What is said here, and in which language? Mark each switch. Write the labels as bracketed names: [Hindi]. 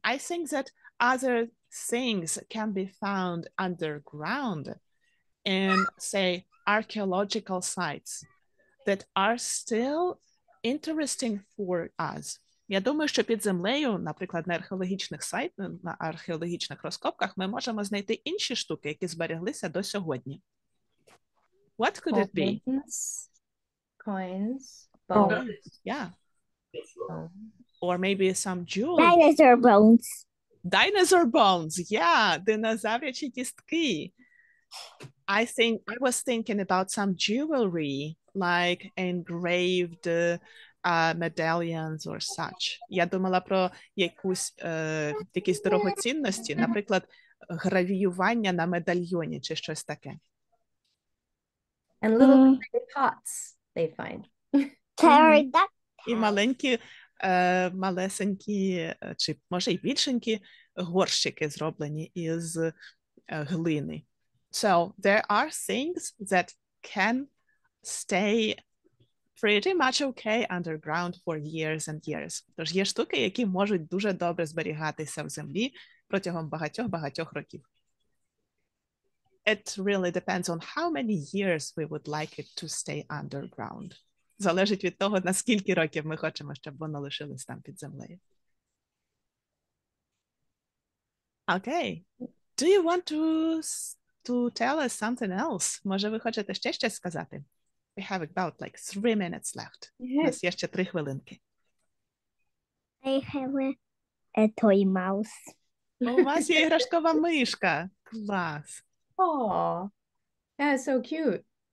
[English] I think that other things can be found underground in, say, archaeological sites that are still interesting for us. [Ukrainian] Я думаю, що під землею, наприклад, на археологічних сайтах, на археологічних розкопках, ми можемо знайти інші штуки, які збереглися до сьогодні. [English] What could it be? Coins, bones. Yeah. Or maybe some jewels. Dinosaur bones. Dinosaur bones, yeah. [Ukrainian] Динозаврячі кістки. [English] I was thinking about some jewelry, like engraved medallions or such. [Ukrainian] Я думала про якісь дорогоцінності, наприклад, гравіювання на медальйоні чи щось таке. [English] And little pots they find. [Ukrainian] І маленькі, малесенькі, чи, може, й більшенькі горщики зроблені із глини. [English] So, there are things that can stay pretty much okay underground for years and years. [Ukrainian] Тож є штуки, які можуть дуже добре зберігатися в землі протягом багатьох-багатьох років. [English] It really depends on how many years we would like it to stay underground. [Ukrainian] Залежить від того, на скільки років ми хочемо, щоб воно лишилось там під землею. [English] Okay. Do you want to tell us something else? [Ukrainian] Може, ви хочете ще щось сказати? [English] We have about like 3 minutes left. Yes. [Ukrainian] У нас є ще 3 хвилинки. [English] I have a toy mouse. [Ukrainian] У вас є іграшкова мишка. Клас. [English] Oh, that's so cute.